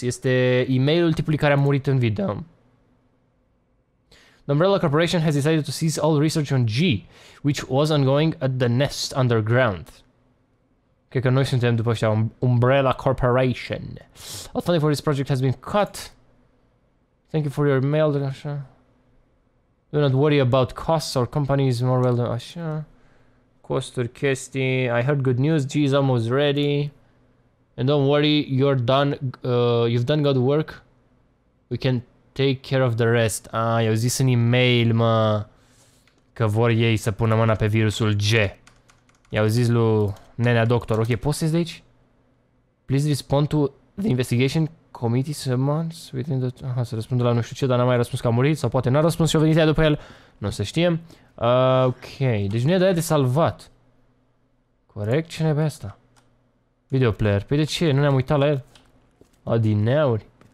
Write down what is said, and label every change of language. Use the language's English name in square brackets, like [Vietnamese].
[Romanian] Este e-mailul tipului care a murit în video. [English] The Umbrella Corporation has decided to cease all research on G, which was ongoing at the nest underground. [Romanian] Cred că noi suntem după ăștia, Umbrella Corporation. [English] All funding for this project has been cut. Thank you for your mail, așa. Do not worry about costs or companies more well than așa. [Romanian] Costuri, chestii. [English] I heard good news, G is almost ready. And don't worry, you're done, you've done good work. We can take care of the rest. [Romanian] Ah, i-au zis în e-mail, mă, că vor ei să pună mâna pe virusul G. I-au zis lui nenea doctor, ok, poți să ieși de aici? [English] Please respond to the investigation committee summons within the... [Romanian] Aha, să răspundă la nu știu ce, dar n-a mai răspuns că a murit, sau poate n-a răspuns și a venit ea după el. Nu o să știm. Ok, deci nu e de aia de salvat. Corect, ce nebe asta? Video player, păi de ce? Nu ne-am uitat la el? Adineauri.